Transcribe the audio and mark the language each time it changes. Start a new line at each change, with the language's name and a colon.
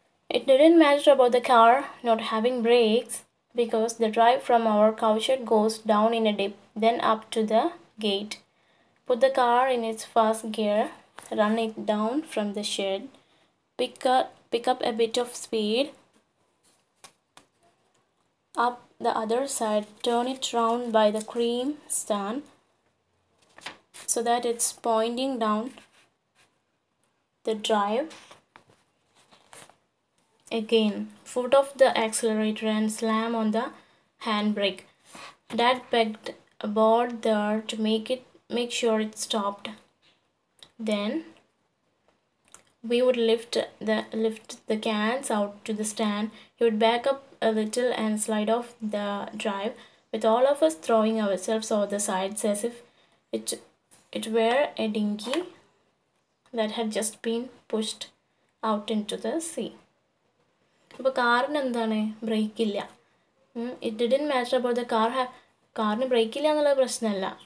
English: It didn't matter about the car not having brakes because the drive from our couch goes down in a dip then up to the gate. Put the car in its first gear, run it down from the shed, pick up a bit of speed, up the other side, turn it round by the cream stand so that it's pointing down the drive. Again, foot off the accelerator and slam on the handbrake. Dad pegged a board there to make sure it stopped. Then we would lift the cans out to the stand. He would back up a little and slide off the drive, with all of us throwing ourselves over the sides as if it were a dinghy that had just been pushed out into the sea.
Malayalam: അപ്പൊ കാറിന് എന്താണ് break ഇല്ല.
English: it didn't matter about the car have
Malayalam: കാറിന് break ഇല്ല എന്നുള്ളത് പ്രശ്നമല്ല.